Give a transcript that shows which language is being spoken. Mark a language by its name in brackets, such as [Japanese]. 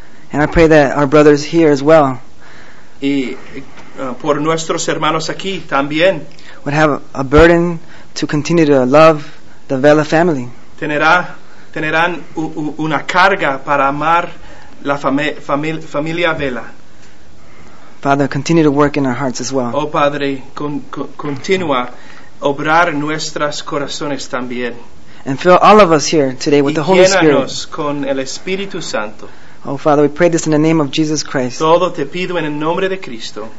[English] And I pray that our brothers here as well. [Spanish] Y por nuestros hermanos aquí también. [English] Would have a burden to continue to love the Vela family. [Spanish] tendrán una carga para amar la familia Vela. [English] Father, continue to work in our hearts as well. [Spanish] Oh, Padre, continúa obrar nuestros corazones también. [English] And fill all of us here today with the Holy Spirit. [Spanish] Llénanos con el Espíritu Santo. [English] Oh, Father, we pray this in the name of Jesus Christ. [Spanish] Todo te pido en el nombre de Cristo.